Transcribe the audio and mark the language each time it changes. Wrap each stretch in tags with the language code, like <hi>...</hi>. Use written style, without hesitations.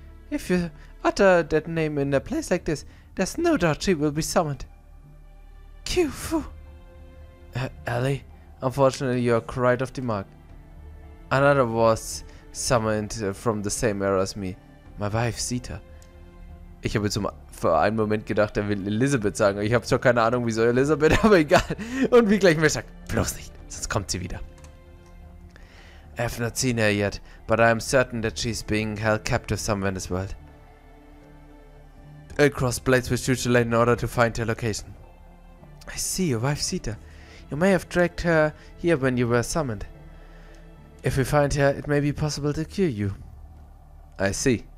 <en>If you utter that name in a place like this, there's no doubt she will be summoned. Q-fu! Ellie, unfortunately you're quite off the mark. Another was summoned from the same era as me. My wife, Sita.</en> <de>Ich habe jetzt für einen Moment gedacht, er will Elisabeth sagen. Ich habe zwar keine Ahnung, wieso Elisabeth, aber egal. Und wie gleich mir sagt, bloß nicht, sonst kommt sie wieder.</de> <en>I have not seen her yet, but I am certain that she is being held captive somewhere in this world. I crossed blades with Jutulane in order to find her location. I see your wife Sita. You may have dragged her here when you were summoned. If we find her, it may be possible to cure you. I see.</en>